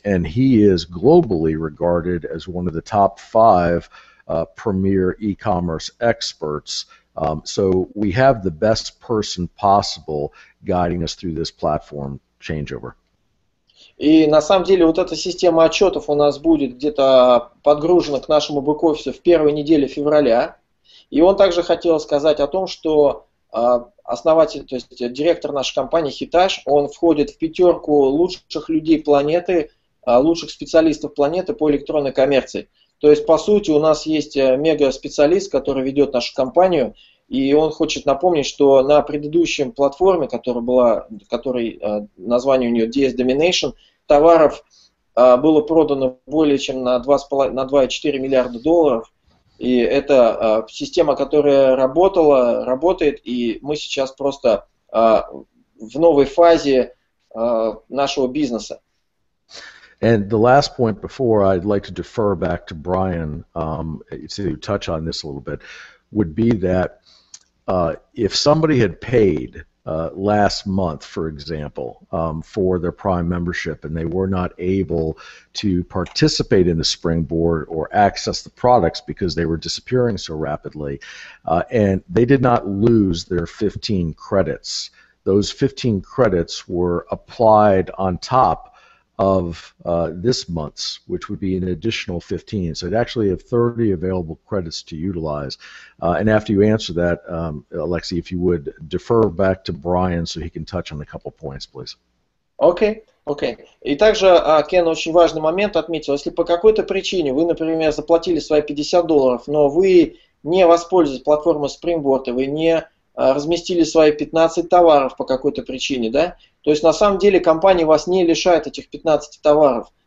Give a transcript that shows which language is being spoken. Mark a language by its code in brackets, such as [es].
[en] And he is globally regarded as one of the top five premier e-commerce experts So we have the best person possible guiding us through this platform changeover. [ru] И на самом деле вот эта система отчетов у нас будет где-то подгружена к нашему бэк-офису в первой неделе февраля. И он также хотел сказать о том, что основатель, то есть директор нашей компании Hitage, он входит в пятерку лучших людей планеты, лучших специалистов планеты по электронной коммерции. То есть, по сути, у нас есть мега-специалист, который ведет нашу компанию, и он хочет напомнить, что на предыдущем платформе, которая была, которой название у нее DS Domination, товаров было продано более чем на 2,4 миллиарда долларов. И это система, которая работала, работает, и мы сейчас просто в новой фазе нашего бизнеса. [en] And the last point before I'd like to defer back to Brian to touch on this a little bit would be that if somebody had paid last month, for example, for their Prime membership and they were not able to participate in the Springboard or access the products because they were disappearing so rapidly, and they did not lose their 15 credits, those 15 credits were applied on top of this month's, which would be an additional 15. So it actually have 30 available credits to utilize. And after you answer that, Alexei, if you would defer back to Brian so he can touch on a couple points, please. Okay, okay. [ru] И также, Кен, очень важный момент отметил. Если по какой-то причине вы, например, заплатили свои $50, но вы не воспользовались платформой Springboard, и вы не разместили свои 15 товаров по какой-то причине, да? То есть на самом деле компания вас не лишает этих 15 товаров.